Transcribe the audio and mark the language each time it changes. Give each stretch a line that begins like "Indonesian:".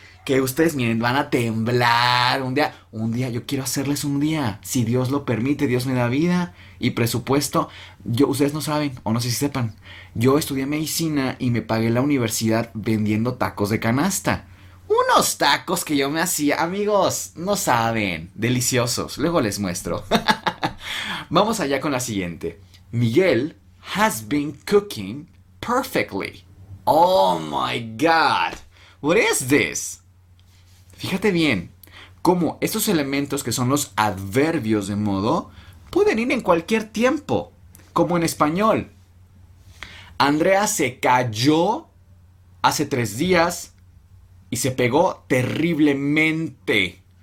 Spanish: Que ustedes, miren, van a temblar un día, yo quiero hacerles un día, si Dios lo permite, Dios me da vida y presupuesto, yo, ustedes no saben, o no sé si sepan, yo estudié medicina y me pagué la universidad vendiendo tacos de canasta. Unos tacos que yo me hacía, amigos, no saben, deliciosos, luego les muestro. Vamos allá con la siguiente.
English: Miguel has been cooking perfectly. Oh my God, what is this?
Spanish: Fíjate bien, cómo estos elementos que son los adverbios de modo pueden ir en cualquier tiempo, como en español. Andrea se cayó hace 3 días y se pegó terriblemente.